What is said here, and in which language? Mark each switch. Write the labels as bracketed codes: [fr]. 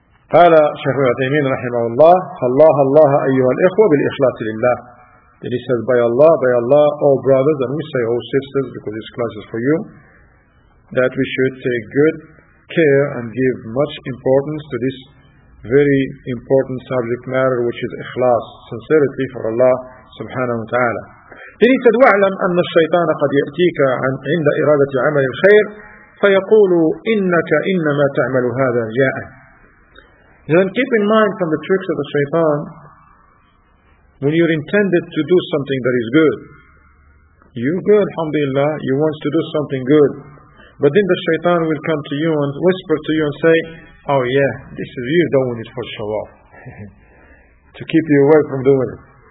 [ar] قال شيخ العثيمين رحمه الله فالله الله أيها الإخوة بالإخلاص لله. [en] Then he says, by Allah, all brothers, and we say all sisters, because this class is for you, that we should take good care and give much importance to this very important subject matter, which is إخلاص, sincerity for Allah subhanahu wa ta'ala. Then he said, [ar] وَاعْلَمْ أَنَّ الشَّيْطَانَ قَدْ يَأْتِيكَ عِنْدَ إِرَادَةِ عَمَلِ الْخَيْرِ فَيَقُولُ إِنَّكَ إِنَّمَا تَعْمَلُ هَذَا جَاءً. [en] Then keep in mind from the tricks of the shaitan, when you're intended to do something that is good, you good, alhamdulillah, you want to do something good, but then the shaitan will come to you and whisper to you and say, oh yeah, this is you doing it for shawab, to keep you away from doing it.